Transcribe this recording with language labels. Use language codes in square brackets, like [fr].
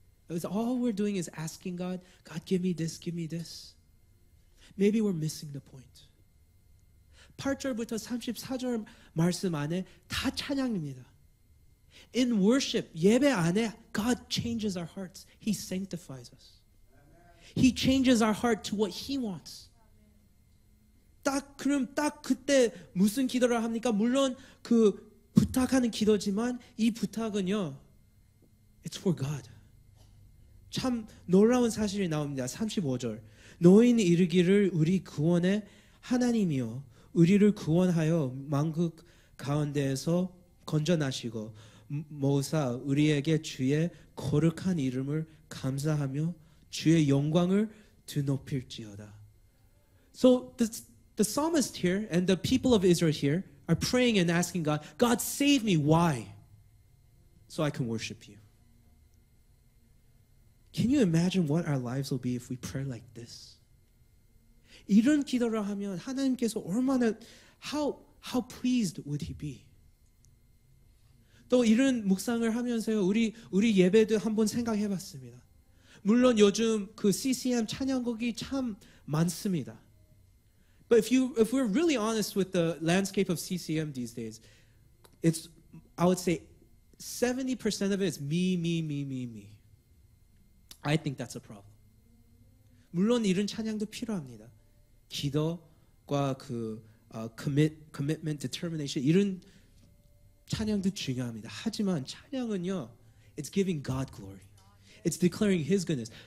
[en] All we're doing is asking God, God, give me this, give me this. Maybe we're missing the point. [ko] 8절부터 34절 말씀 안에 다 찬양입니다. [en] In worship, [ko] 예배 안에 [en] God changes our hearts. He sanctifies us. He changes our heart to what He wants. [ko] 그럼 그때 무슨 기도를 합니까? 물론 그 부탁하는 기도지만 이 부탁은요, [en] it's for God. [ko] 참 놀라운 사실이 나옵니다. 35절. 너희는 이르기를 우리 구원의 하나님이요 우리를 구원하여 만국 가운데에서 건져나시고 모사 우리에게 주의 거룩한 이름을 감사하며 주의 영광을 드높일지어다. [en] So the psalmist here and the people of Israel here are praying and asking God, God save me, why? So I can worship you. Can you imagine what our lives will be if we pray like this? [ko] 이런 기도를 하면 하나님께서 얼마나 [en] how pleased would he be? [ko] 또 이런 묵상을 하면서요. 우리 예배도 한번 생각해 봤습니다. 물론 요즘 그 CCM 찬양곡이 참 많습니다. [en] But if we're really honest with the landscape of CCM these days, it's I would say 70% of it is me. I think that's a problem. [ko] 물론 이런 찬양도 필요합니다. 기도과 그 commitment, determination 이런 찬양도 중요합니다. 하지만 찬양은요, [en] it's giving God glory. It's declaring His goodness.